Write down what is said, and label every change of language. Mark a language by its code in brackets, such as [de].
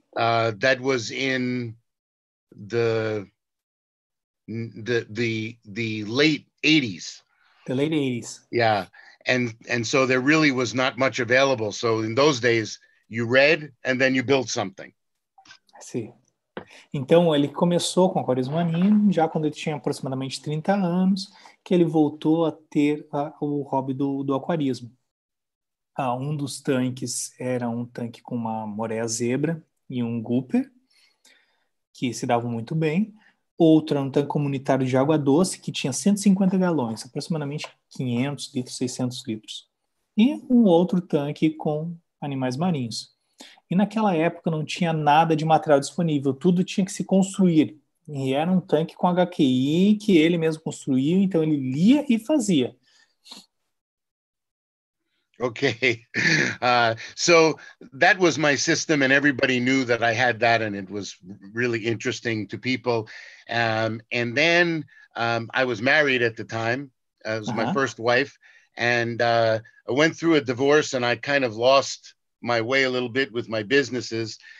[en] That was in the late 80s. The late 80s. Yeah. And so there really was not much available. So in those days, you read and then you built something. I see. [pt] Então, ele começou com aquários marinhos, já quando ele tinha aproximadamente 30 anos, que ele voltou a ter o hobby do aquarismo. Um dos tanques era um tanque com uma moreia zebra e um gooper, que se davam muito bem. Outro era um tanque comunitário de água doce, que tinha 150 galões, aproximadamente 500 litros, 600 litros. E um outro tanque com animais marinhos. E naquela época não tinha nada de material disponível, tudo tinha que se construir. E era um tanque com HQI que ele mesmo construiu, então ele lia e fazia. Ok. [en] So that was my system, and everybody knew that I had that, and it was really interesting to people. And then I was married at the time, it was my first wife, and I went through a divorce, and I kind of lost my way a little bit with my businesses.